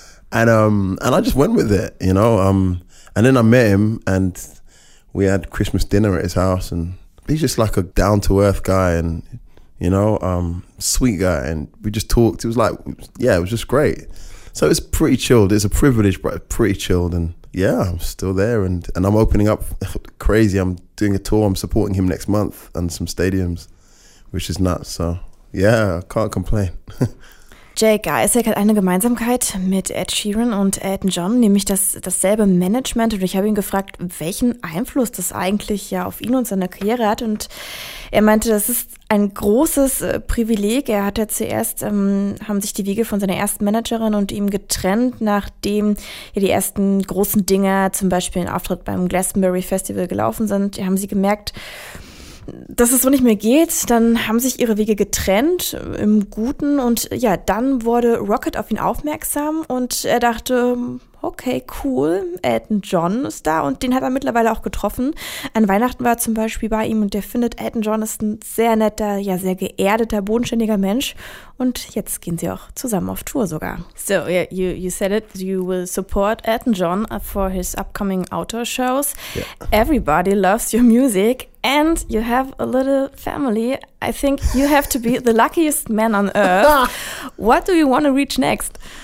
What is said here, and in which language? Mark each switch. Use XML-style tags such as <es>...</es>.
<en>And I just went with it, you know. And then I met him and we had Christmas dinner at his house, and he's just like a down-to-earth guy and, you know, sweet guy. And we just talked. It was like, yeah, it was just great. So it's pretty chilled. It's a privilege, but pretty chilled. And yeah, I'm still there. And I'm opening up crazy. I'm doing a tour. I'm supporting him next month and some stadiums, which is nuts, so... Yeah, can't complain.</en> <de>Jake Isaac hat eine Gemeinsamkeit mit Ed Sheeran und Elton John, nämlich dasselbe Management. Und ich habe ihn gefragt, welchen Einfluss das eigentlich ja auf ihn und seine Karriere hat. Und er meinte, das ist ein großes Privileg. Er hatte zuerst, haben sich die Wege von seiner ersten Managerin und ihm getrennt, nachdem ja die ersten großen Dinge, zum Beispiel ein Auftritt beim Glastonbury Festival, gelaufen sind. Ja, haben sie gemerkt, dass es so nicht mehr geht, dann haben sich ihre Wege getrennt, im Guten. Und ja, dann wurde Rocket auf ihn aufmerksam und er dachte, okay, cool, Elton John ist da und den hat er mittlerweile auch getroffen. An Weihnachten war er zum Beispiel bei ihm und der findet, Elton John ist ein sehr netter, ja, sehr geerdeter, bodenständiger Mensch. Und jetzt gehen sie auch zusammen auf Tour sogar.</de> <en>So, yeah, you said it, you will support Elton John for his upcoming outdoor shows. Yeah. Everybody loves your music. And you have a little family. I think you have to be the luckiest man on earth. What do you want to reach next?</en>